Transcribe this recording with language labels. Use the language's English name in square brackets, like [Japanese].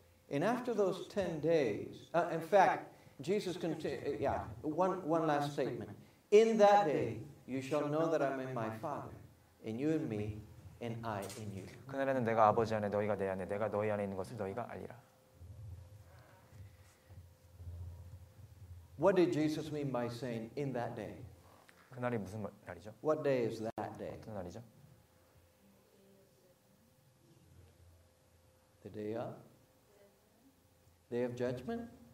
[English] And after those 10 days, in fact, Jesus continued, yeah, one last statement. In that day, you shall know that I'm in my Father, and you in me, and I in you. [Korean] 그날에는 내가 아버지 안에 너희가 내 안에 내가 너희 안에 있는 것을 너희가 알리라. [English] What did Jesus mean by saying in that day? [Korean] 그날이 무슨 날이죠? [English] What day is that day? [Korean] 어떤 날이죠? [English] The day of? Day of Judgment?